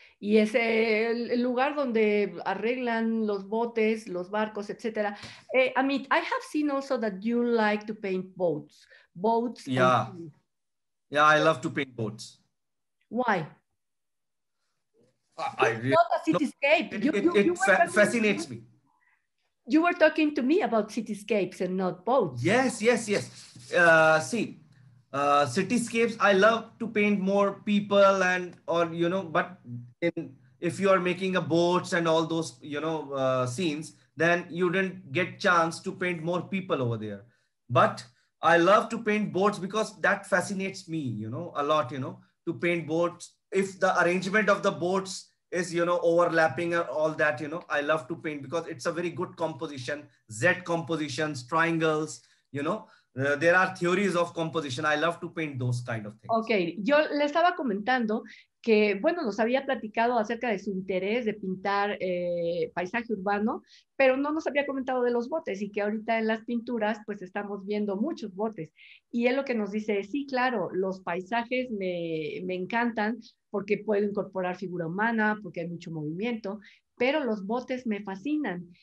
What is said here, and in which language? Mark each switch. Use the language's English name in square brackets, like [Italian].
[Spanish] Y es el lugar donde arreglan los botes, los barcos, etc. [English] Amit, I have seen also that you like to paint boats. Boats. Yeah. Yeah, I love to paint boats. Why? It's not a cityscape. No, it fascinates me. You were talking to me about cityscapes and not boats. Yes. See, Cityscapes, I love to paint more people and, or, you know, but in, if you are making a boats and all those, you know, scenes, then you didn't get chance to paint more people over there. But I love to paint boats because that fascinates me, you know, a lot, you know, to paint boats. If the arrangement of the boats is, you know, overlapping or all that, you know, I love to paint because it's a very good composition, Z compositions, triangles, you know. There are theories of composition. I love to paint those kind of things. [Spanish] Okay, yo le estaba comentando que, bueno, nos había platicado acerca de su interés de pintar paisaje urbano, pero no nos había comentado de los botes y que ahorita en las pinturas pues estamos viendo muchos botes. Y él lo que nos dice es, sí, claro, los paisajes me encantan porque puedo incorporar figura humana, porque hay mucho movimiento, pero los botes me fascinan.